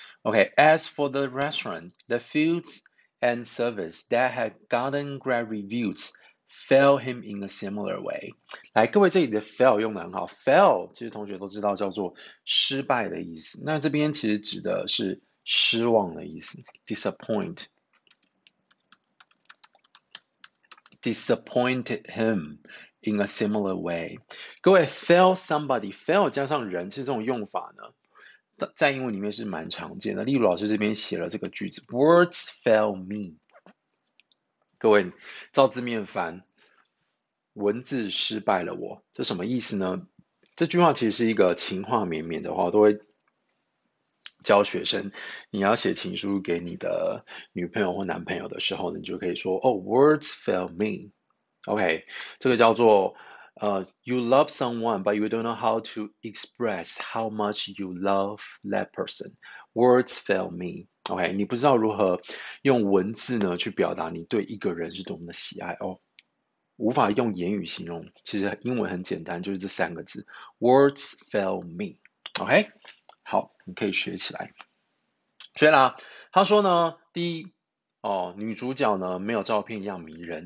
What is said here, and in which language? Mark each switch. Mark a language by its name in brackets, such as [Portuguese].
[English] OK，as for the restaurant, the foods and service that had gotten great reviews fail him in a similar way。 [Chinese] 来，各位这里的 fail 用得很好，fail 其实同学都知道叫做失败的意思。那这边其实指的是失望的意思 ，disappoint。 [English] Disappointed him in a similar way。 [Chinese] 各位 ，fail somebody，fail 加上人，其实这种用法呢，在英文里面是蛮常见的。例如，老师这边写了这个句子 ： [English] Words fail me。 [Chinese] 各位，照字面翻，文字失败了我，这什么意思呢？这句话其实是一个情话绵绵的话，我都会教学生，你要写情书给你的女朋友或男朋友的时候呢，你就可以说哦， [English] words fail me。 OK， [Chinese] 这个叫做 [English] you love someone but you don't know how to express how much you love that person。 Words fail me。 [Chinese] OK，你不知道如何用文字呢去表达你对一个人是多么的喜爱哦，无法用言语形容。其实英文很简单，就是这三个字， [English] words fail me。 [Chinese] OK。好，你可以学起来。所以啦，他说呢，第一，哦，女主角呢没有照片一样迷人。